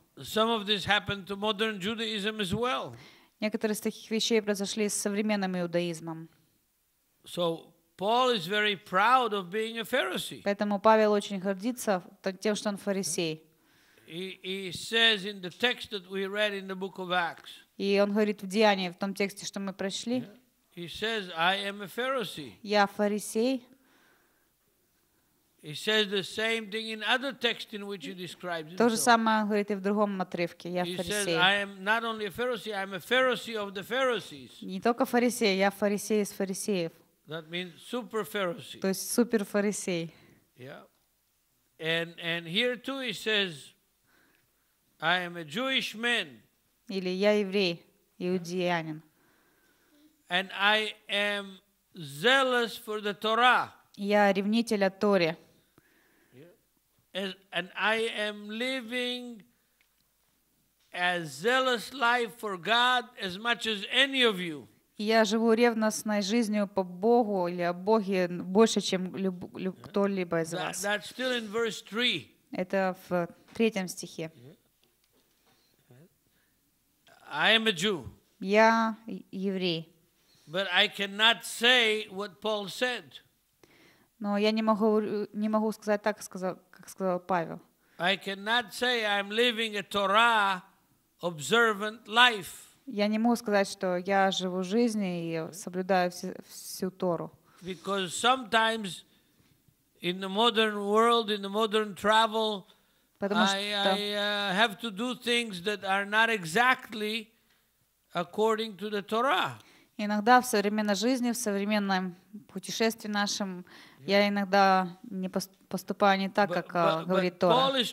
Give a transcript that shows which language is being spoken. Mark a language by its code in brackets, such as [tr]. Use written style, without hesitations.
[en] Some of this happened to modern Judaism as well. [ru] Некоторые из таких вещей произошли с современным иудаизмом. [en] So Paul is very proud of being a Pharisee. [ru] Поэтому Павел очень гордится тем, что он фарисей. [en] He says in the text that we read in the book of Acts. [ru] И он говорит в Деяниях, в том тексте, что мы прочли. [en] He says, I am a Pharisee. [ru] Я фарисей. [en] He says the same thing in other text in which he describes himself. [ru] То же самое он говорит и в другом отрывке. Я фарисей. [en] He says, I am not only a Pharisee, I am a Pharisee of the Pharisees. [ru] Не только фарисей, я фарисей из фарисеев. [en] That means super Pharisee. [ru] То есть супер фарисей. [en] Yeah. And here too he says, I am a Jewish man. [ru] Или я еврей, иудеянин. [en] And I am zealous for the Torah. [ru] Я ревнитель о Торе. [en] And I am living a zealous life for God as much as any of you. [ru] Я живу ревностной жизнью по Богу или о Боге больше, чем кто-либо из вас. [en] That's still in verse 3. [ru] Это в третьем стихе. [en] I am a Jew. [ru] Я еврей. [en] But I cannot say what Paul said. [ru] Но я не могу сказать так, как сказал Павел. [en] I cannot say I'm living a Torah observant life. [ru] Я не могу сказать, что я живу жизнью и соблюдаю всю Тору. [en] Because sometimes in the modern world, in the modern travel, I have to do things that are not exactly according to the Torah. [ru] Иногда в современной жизни, в современном путешествии нашем, я иногда не поступаю не так, как говорит Тора.